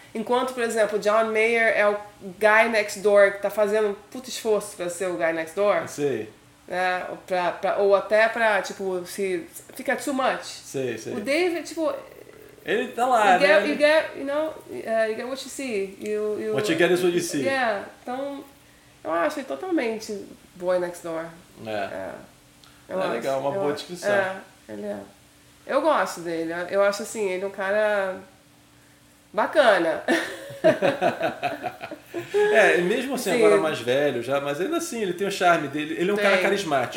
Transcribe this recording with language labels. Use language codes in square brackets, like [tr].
[pt] Enquanto, por exemplo, John Mayer é o Guy Next Door que tá fazendo um puto esforço pra ser o Guy Next Door. Sim. Né? Ou até pra, tipo, se fica [en] too much. [pt] Sim. O Dave, tipo... Ele tá lá, [en] you [pt] né? [en] Get, you get, you know, you get what you see. What you get is what you see. Yeah. [pt] Então, Eu achei totalmente Boy Next Door. É. Ele é legal, uma boa descrição. Ele é. Eu gosto dele. Eu acho assim, ele é um cara bacana. É, mesmo assim, sim. Agora mais velho já, mas ainda assim, ele tem o charme dele. Ele é um cara carismático.